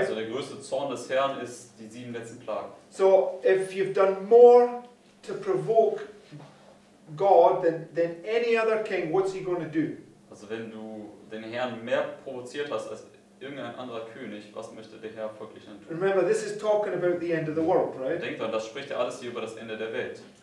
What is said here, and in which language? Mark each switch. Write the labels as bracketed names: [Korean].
[German] Also der größte Zorn des Herrn ist die sieben letzten Plagen. [English] So if you've done more to provoke God than any other king, what's he going to do? [German] Also wenn du den Herrn mehr provoziert hast als irgendein anderer König, was möchte der Herr wirklich tun? [English] Remember, this is talking about the end of the world, right? [German] Denk dran, das spricht ja alles hier über das Ende der Welt.